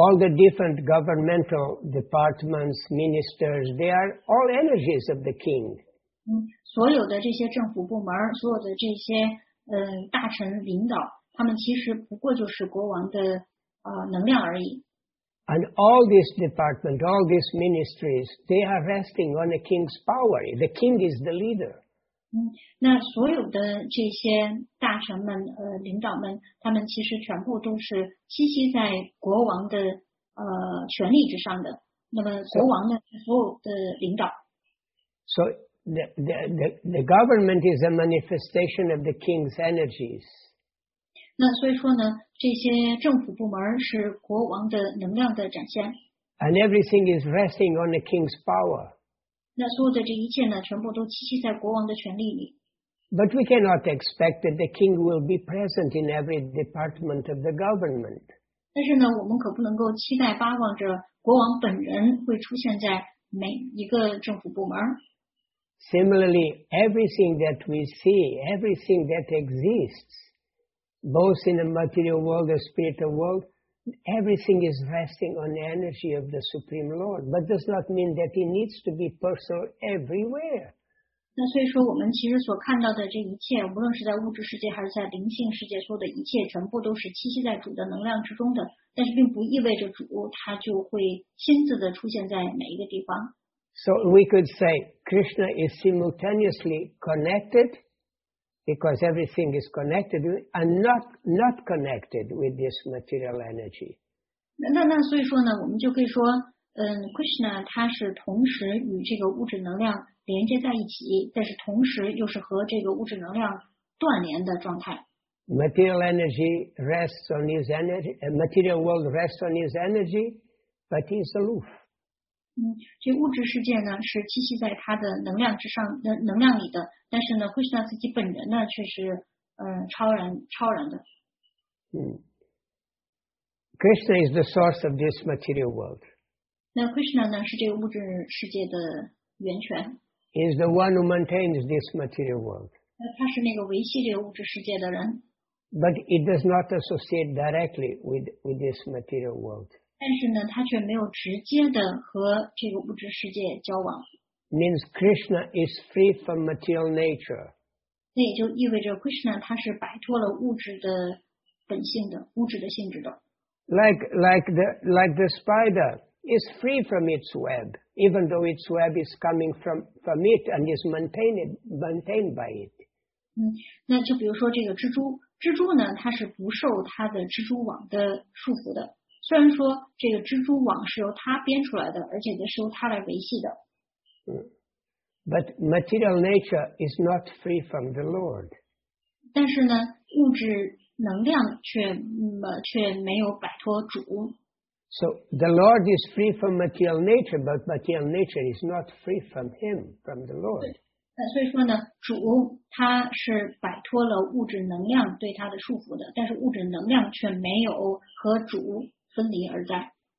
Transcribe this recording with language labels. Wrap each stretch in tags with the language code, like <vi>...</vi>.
<en>All the different governmental departments, ministers, they are all energies of the king.</en> <zh>所有的这些政府部门，所有的这些大臣领导，他们其实不过就是国王的能量而已。</zh> <en>And all these departments, all these ministries, they are resting on the king's power. The king is the leader.</en> <zh>那所有的这些大臣们领导们，他们其实全部都是栖息在国王的权力之上的。那么国王呢，是所有的领导。</zh> <en>So the government is a manifestation of the king's energies.</en> <zh>那所以说呢，这些政府部门是国王的能量的展现。</zh> <en>And everything is resting on the king's power.</en> <zh>那所有的这一切呢，全部都栖息在国王的权力里。</zh> <en>But we cannot expect that the king will be present in every department of the government.</en> <zh>但是呢，我们可不能够期待巴望着国王本人会出现在每一个政府部门。</zh> <en>Similarly, everything that we see, everything that exists, both in the material world and spiritual world,Everything is resting on the energy of the Supreme Lord, but does not mean that He needs to be personal everywhere.</en> <zh>那所以说，我们其实所看到的这一切，无论是在物质世界还是在灵性世界，所有的一切全部都是栖息在主的能量之中的。但是，并不意味着主他就会亲自的出现在每一个地方。</zh> <en>So we could say Krishna is simultaneously connected. Because everything is connected and not connected with this material energy.</en> <zh>那所以说呢，我们就可以说，Krishna 他是同时与这个物质能量连接在一起，但是同时又是和这个物质能量断联的状态。</zh> <en>Material energy rests on his energy, material world rests on his energy, but he's aloof.</en> <zh>这物质世界呢是栖息在他的能量之上，能量里的，但是呢 Krishna 自己本人呢却是超然的。</zh> <en>Krishna is the source of this material world.</en> <zh>那 Krishna 呢是这个物质世界的源泉。</zh> <en>He is the one who maintains this material world.</en> <zh>他是那个维系这个物质世界的人。</zh> <en>But it does not associate directly with this material world.</en> <zh>但是呢，他却没有直接的和这个物质世界交往。</zh> <en>Means Krishna is free from material nature.</en> <zh>那也就意味着 Krishna 他是摆脱了物质的本性的，物质的性质的。</zh> <en>Like the spider is free from its web, even though its web is coming from it and is maintained by it.</en> <zh>那就比如说这个蜘蛛。蜘蛛呢，它是不受它的蜘蛛网的束缚的。虽然说这个蜘蛛网是由它编出来的，而且也是由它来维系的。</zh> <en>But material nature is not free from the Lord.</en> <zh>但是呢，物质能量却没有摆脱主。</zh> <en>So the Lord is free from material nature, but material nature is not free from Him, from the Lord.</en> <zh>所以说呢，主他是摆脱了物质能量对他的束缚的，但是物质能量却没有和主分离而在。</zh>